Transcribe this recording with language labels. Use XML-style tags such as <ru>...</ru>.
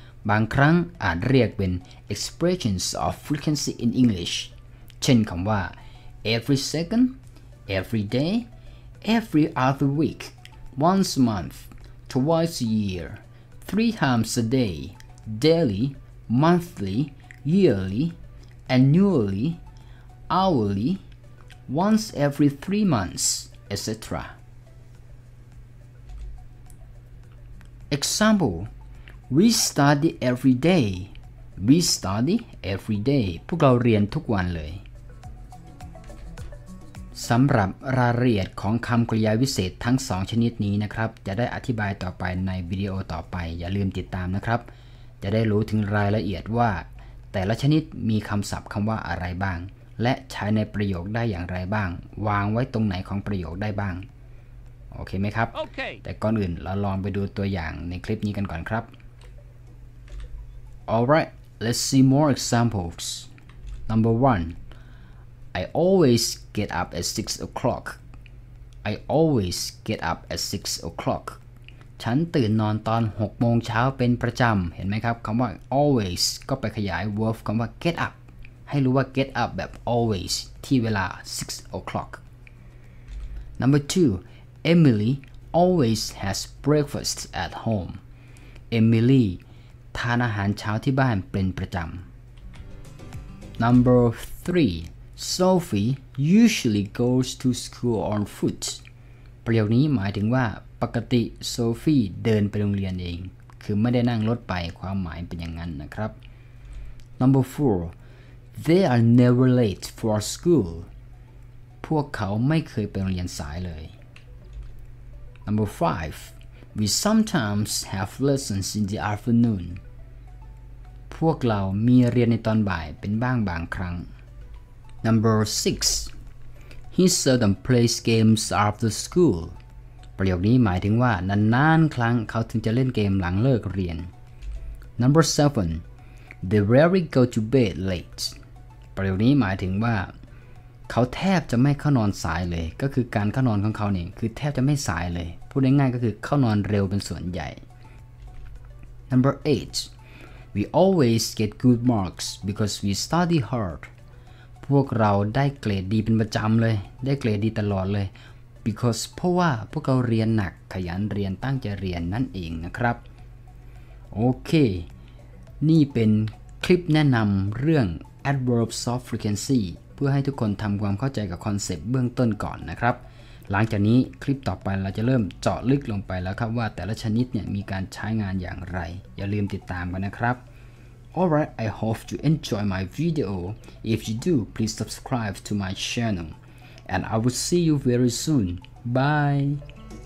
<th>บางครั้งอาจเรียกเป็น</th> <en>expressions of frequency in English เช่นคำว่า every second, every day, every other weekOnce a month, twice a year, three times a day, daily, monthly, yearly, annually, hourly, once every 3 months, etc. Example, we study every day. We study every day.</en> <th>พวกเราเรียนทุกวันเลยสำหรับรายละเอียดของคำกริยาวิเศษทั้ง2ชนิดนี้นะครับจะได้อธิบายต่อไปในวิดีโอต่อไปอย่าลืมติดตามนะครับจะได้รู้ถึงรายละเอียดว่าแต่ละชนิดมีคำศัพท์คำว่าอะไรบ้างและใช้ในประโยคได้อย่างไรบ้างวางไว้ตรงไหนของประโยคได้บ้างโอเคไหมครับ</th> <en>okay.</en> <th>แต่ก่อนอื่นเราลองไปดูตัวอย่างในคลิปนี้กันก่อนครับ</th> <en>Alright, let's see more examples. Number 1I always get up at 6 o'clock. I always get up at 6 o'clock.</en> <th>ฉันตื่นนอนตอน6โมงเช้าเป็นประจำเห็นไหมครับคำว่า always ก็ไปขยาย verb คำว่า get up ให้รู้ว่า get up แบบ always ที่เวลา 6 o'clock.</th> <en>Number 2. Emily always has breakfast at home.</en> <th>Emily ทานอาหารเช้าที่บ้านเป็นประจำ</th> <en>Number 3. Sophie usually goes to school on foot.</en> <th>ประโยคนี้หมายถึงว่าปกติโซฟีเดินไปโรงเรียนเองคือไม่ได้นั่งรถไปความหมายเป็นอย่างนั้นนะครับ</th> <en>Number 4 They are never late for school</en> <th>พวกเขาไม่เคยไปโรงเรียนสายเลย</th> <en>Number 5 We sometimes have lessons in the afternoon</en> <th>พวกเรามีเรียนในตอนบ่ายเป็นบ้างบางครั้ง</th> <en>Number 6He seldom plays games after school.</en> <th>ประโยคนี้หมายถึงว่านานๆครั้งเขาถึงจะเล่นเกมหลังเลิกเรียน Number 7.</th> <en>They rarely go to bed late.</en> <th>ประโยคนี้หมายถึงว่าเขาแทบจะไม่เข้านอนสายเลยก็คือการเข้านอนของเขาเนี่ยคือแทบจะไม่สายเลยพูดง่ายๆก็คือเข้านอนเร็วเป็นส่วนใหญ่ Number 8.</th> <en>We always get good marks because we study hard.</en> <th>พวกเราได้เกรดดีเป็นประจำเลยได้เกรดดีตลอดเลย because เพราะว่าพวกเราเรียนหนักขยันเรียนตั้งใจเรียนนั่นเองนะครับโอเคนี่เป็นคลิปแนะนำเรื่อง adverbs of frequency เพื่อให้ทุกคนทำความเข้าใจกับคอนเซปต์เบื้องต้นก่อนนะครับหลังจากนี้คลิปต่อไปเราจะเริ่มเจาะลึกลงไปแล้วครับว่าแต่ละชนิดเนี่ยมีการใช้งานอย่างไรอย่าลืมติดตามกันนะครับ</th> <en>Alright, I hope you enjoy my video. If you do, please subscribe to my channel. And I will see you very soon. Bye!</en>